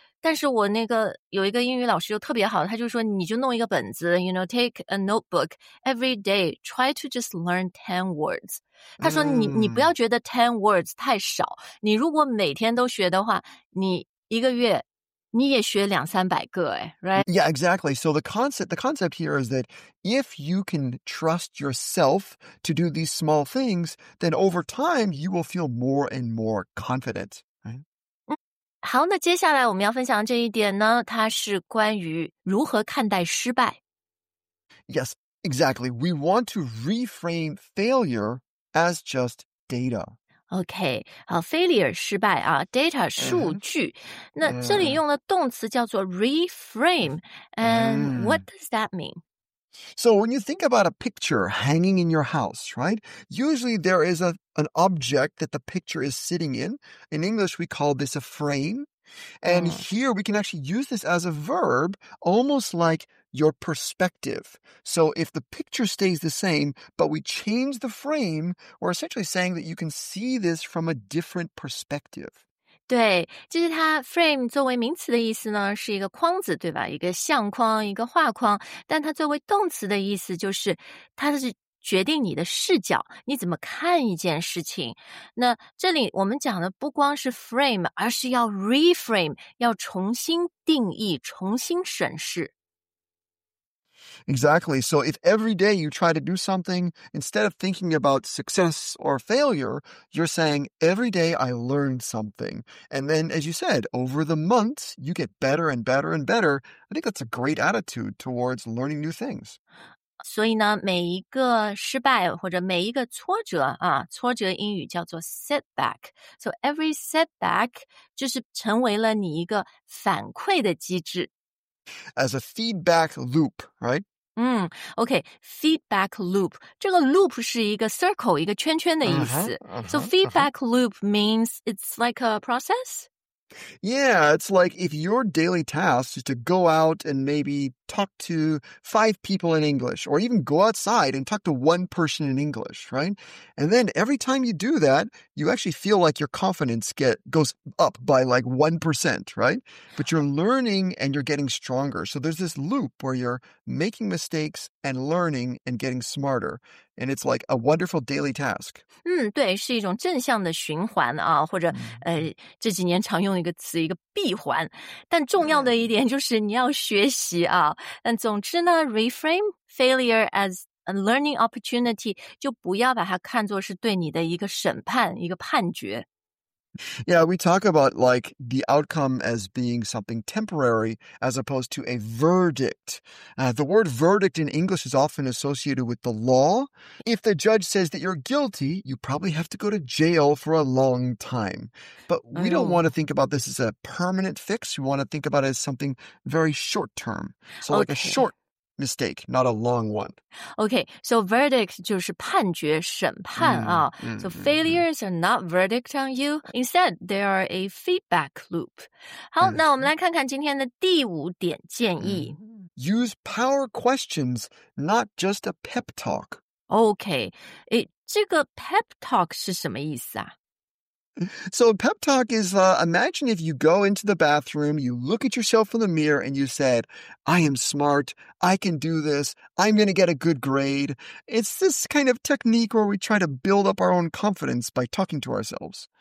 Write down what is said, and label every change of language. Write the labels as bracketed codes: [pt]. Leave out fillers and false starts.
[zh] 但是我那个有一个英语老师就特别好，他就说你就弄一个本子 ， [en] you know, take a notebook every day, try to just learn 10 words. [zh] 他说你不要觉得 10 words 太少，你如果每天都学的话，你一个月。你也学两三百个哎 [en] right? Yeah, exactly. So the concept here is that if you can trust yourself to do these small things, then over time, you will feel more and more confident. Right? [zh] 好，那接下来我们要分享这一点呢，它是关于如何看待失败。 [en] Yes, exactly. We want to reframe failure as just data. OK, failure, [zh] 失败啊 [en] data, [zh] 数据。那这里用的动词叫做 reframe, [en] and what does that mean? So when you think about a picture hanging in your house, right? Usually there is an object that the picture is sitting in. In English, we call this a frame. And here we can actually use this as a verb, almost like your perspective. So if the picture stays the same, but we change the frame, we're essentially saying that you can see this from a different perspective. [zh] 对，就是它 frame 作为名词的意思呢，是一个框子，对吧？一个相框，一个画框。但它作为动词的意思就是，它是决定你的视角，你怎么看一件事情。那这里我们讲的不光是 frame, 而是要 reframe, 要重新定义，重新审视。 [en] Exactly. So if every day you try to do something, instead of thinking about success or failure, you're saying, every day I learn something. And then, as you said, over the months, you get better and better and better. I think that's a great attitude towards learning new things. [zh] 所以呢，每一个失败或者每一个挫折啊，挫折英语叫做 setback. [en] So every setback [zh] 就是成为了你一个反馈的机制。 [en] As a feedback loop, right? Okay, feedback loop. [zh] 这个 loop 是一个 circle, 一个圈圈的意思。 [en] So feedback loop means it's like a process? Yeah, it's like if your daily task is to go out and maybe talk to 5 people in English, or even go outside and talk to 1 person in English, right? And then every time you do that, you actually feel like your confidence goes up by like 1%, right? But you're learning and you're getting stronger. So there's this loop where you're making mistakes and learning and getting smarter. And it's like a wonderful daily task. [zh] 对，是一种正向的循环啊，或者这几年常用一个词，一个闭环。但重要的一点就是你要学习啊。但总之呢 [en] reframe failure as a learning opportunity, [zh] 就不要把它看作是对你的一个审判，一个判决。 [en] Yeah, we talk about like the outcome as being something temporary as opposed to a verdict. The word verdict in English is often associated with the law. If the judge says that you're guilty, you probably have to go to jail for a long time. But we don't want to think about this as a permanent fix. We want to think about it as something very short term. So like a short mistake, not a long one. [zh] Okay, so verdict 就是判决审判啊。 [en] So failures are not verdict on you. Instead, they are a feedback loop. [zh] 好，那我们来看看今天的第五点建议。 [en] use power questions, not just a pep talk. [zh] Okay, 这个 pep talk 是什么意思啊？ [en] So a pep talk is, imagine if you go into the bathroom, you look at yourself in the mirror and you said, I am smart, I can do this, I'm going to get a good grade. It's this kind of technique where we try to build up our own confidence by talking to ourselves.